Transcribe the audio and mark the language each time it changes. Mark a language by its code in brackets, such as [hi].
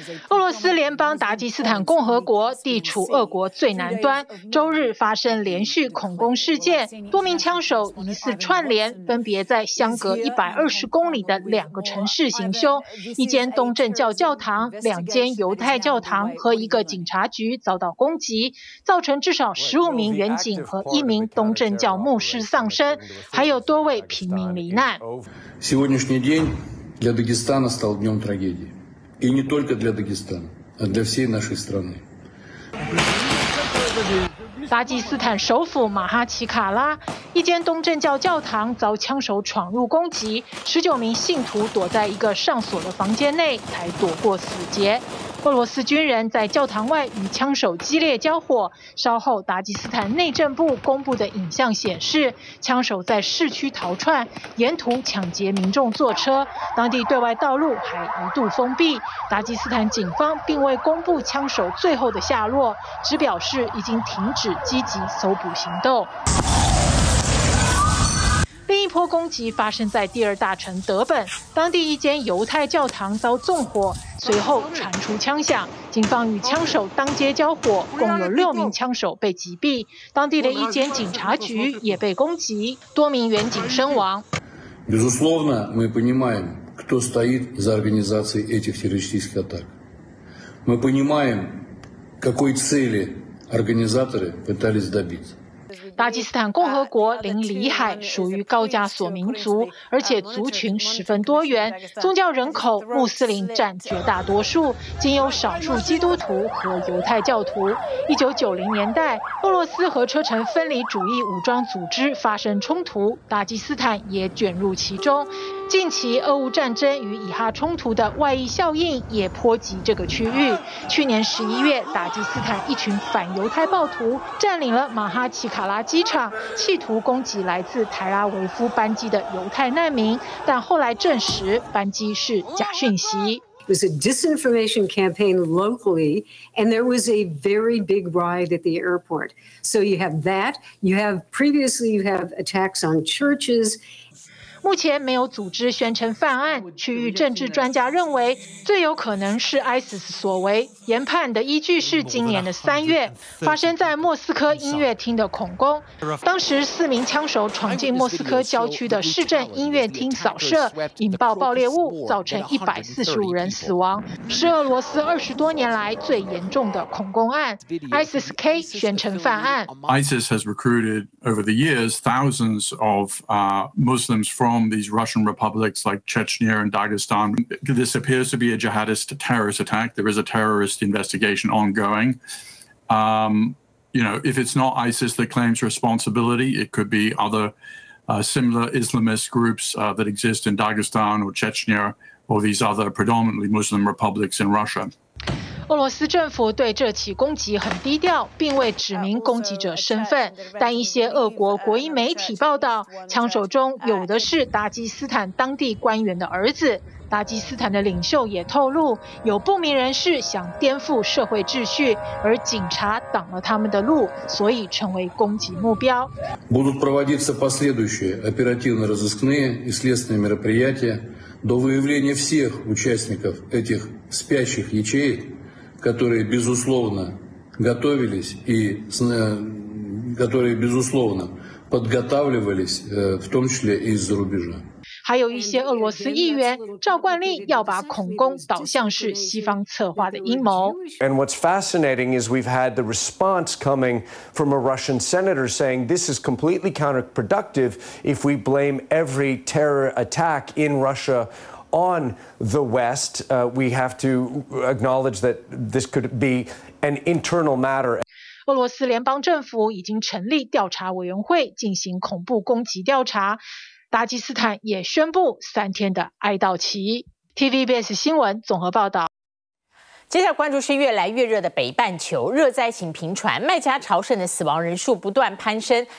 [zh] 俄罗斯联邦达吉斯坦共和国地处俄国最南端，周日发生连续恐攻事件，多名枪手疑似串联，分别在相隔120公里的两个城市行凶，一间东正教教堂、两间犹太教堂和一个警察局遭到攻击，造成至少15名原警和1名东正教牧师丧生，还有多位平民罹难。 [ru] сегодняшний день для Дагестана стал днем трагедии。 И не только для Дагестана, а для всей нашей страны. [zh] 达吉斯坦首府马哈奇卡拉，一间东正教教堂遭枪手闯入攻击，19名信徒躲在一个上锁的房间内，才躲过死劫。俄罗斯军人在教堂外与枪手激烈交火，稍后达吉斯坦内政部公布的影像显示，枪手在市区逃窜，沿途抢劫民众坐车，当地对外道路还一度封闭。达吉斯坦警方并未公布枪手最后的下落，只表示已经停止积极搜捕行动。另一波攻击发生在第二大城德本，当地一间犹太教堂遭纵火，随后传出枪响，警方与枪手当街交火，共有6名枪手被击毙，当地的一间警察局也被攻击，多名原警身亡。 [ru] Безусловно, мы понимаем, кто стоит за организацией этих террористических атак. Мы понимаем, какой цели организаторы пытались добиться. [zh] 达吉斯坦共和国临里海，属于高加索民族，而且族群十分多元，宗教人口穆斯林占绝大多数，仅有少数基督徒和犹太教徒。 1990年代，俄罗斯和车臣分离主义武装组织发生冲突，达吉斯坦也卷入其中。近期俄乌战争与以哈冲突的外溢效应也波及这个区域。去年11月，达吉斯坦一群反犹太暴徒占领了马哈奇卡拉机场，企图攻击来自特拉维夫班机的犹太难民，但后来证实班机是假讯息。 [en] It was a disinformation campaign locally, and there was a very big riot at the airport. So you have that. You have previously you have attacks on churches. [zh] 目前没有组织宣称犯案。区域政治专家认为，最有可能是 ISIS 所为。研判的依据是今年的三月发生在莫斯科音乐厅的恐攻。当时四名枪手闯进莫斯科郊区的市政音乐厅扫射，引爆爆裂物，造成145人死亡，是俄罗斯20多年来最严重的恐攻案。 ISIS-K 宣称犯案。 [en] ISIS has recruited over the years thousands of Muslims from these Russian republics like Chechnya and Dagestan. This appears to be a jihadist terrorist attack. There is a terrorist investigation ongoing. If it's not ISIS that claims responsibility, it could be other similar Islamist groups that exist in Dagestan or Chechnya or these other predominantly Muslim republics in Russia. [zh] 俄罗斯政府对这起攻击很低调，并未指明攻击者身份，但一些俄国国营媒体报道，枪手中有的是达吉斯坦当地官员的儿子。达吉斯坦的领袖也透露，有不明人士想颠覆社会秩序，而警察挡了他们的路，所以成为攻击目标。 [ru] Будут проводиться последующие оперативно-розыскные и следственные мероприятия до выявления всех участников этих спящих ячеек. Которые, безусловно, готовились и которые, безусловно, подготавливались, в том числе и из-за рубежа. [zh] 还有一些俄罗斯议员照惯例要把恐攻导向是西方策划的阴谋。 [en] And what's fascinating is we've had the response coming from a Russian senator saying this is completely counterproductive if we blame every terror attack in Russia on the West. We have to acknowledge that this could be an internal matter. [zh] 俄罗斯联邦政府已经成立调查委员会进行恐怖攻击调查。达吉斯坦也宣布三天的哀悼期。 TVBS 新闻综合报道。接下来关注是越来越热的北半球，热灾情频传，麦加朝圣的死亡人数不断攀升。